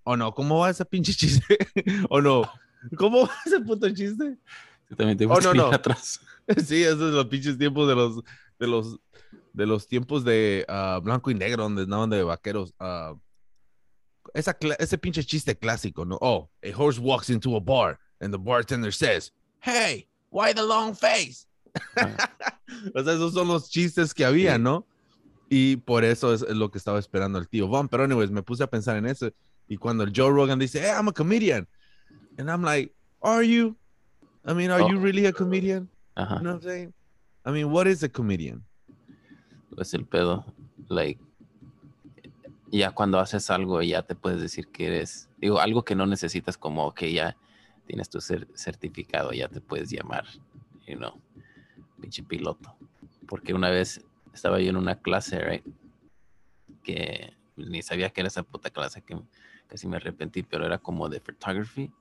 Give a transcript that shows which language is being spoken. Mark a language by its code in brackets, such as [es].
[es] O no, ¿cómo va ese pinche chiste? O no, ¿cómo va ese puto chiste? Yo también tengo que ir atrás. Sí, esos son los pinches tiempos de los tiempos de blanco y negro, donde andaban de vaqueros. Ese pinche chiste clásico, ¿no? [en] Oh, a horse walks into a bar. And the bartender says, hey, why the long face? [es] O sea, esos son los chistes que había, ¿no? Y por eso es lo que estaba esperando el tío Vaughn. Pero anyways, me puse a pensar en eso. Y cuando el Joe Rogan dice, [en] hey, I'm a comedian. And I'm like, are you? I mean, are you really a comedian? Uh-huh. You know what I'm saying? I mean, what is a comedian? [es] Pues el pedo, like, ya cuando haces algo, ya te puedes decir que eres, digo, algo que no necesitas, como que ya tienes tu certificado, ya te puedes llamar, you know, pinche piloto. Porque una vez estaba yo en una clase, right, que ni sabía que era esa puta clase, que casi me arrepentí, pero era como de photography.